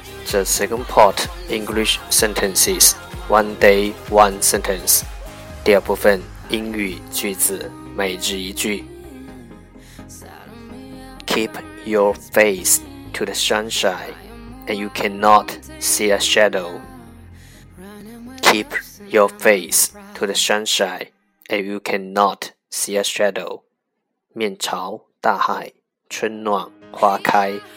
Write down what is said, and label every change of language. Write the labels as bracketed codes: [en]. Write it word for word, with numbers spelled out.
[en] The second part, English sentences, one day, one sentence. [zh] 第二部分英语句子，每日一句。 [en] Keep your face to the sunshine, and you cannot see a shadow. Keep your face to the sunshine, and you cannot see a shadow. [zh] 面朝大海，春暖花开。